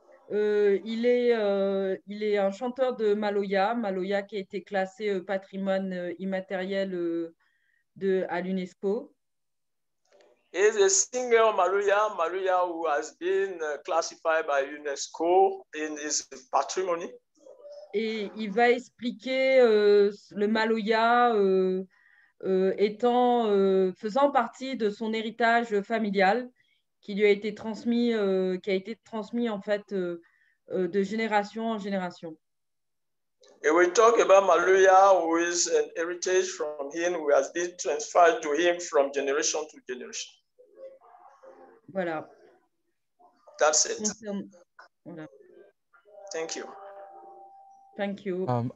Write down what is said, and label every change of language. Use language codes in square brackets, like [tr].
[fr] Il est un chanteur de Maloya qui a été classé patrimoine immatériel à l'UNESCO. [en] He is a singer Maloya who has been classified by UNESCO in his patrimony. [fr] Et il va expliquer le Maloya faisant partie de son héritage familial qui lui a été transmis de génération en génération. [en] And we talk about Maloya, who is an heritage from him, who has been transferred to him from generation to generation. [fr] Voilà. [en] That's it. Voilà. Thank you. Thank you.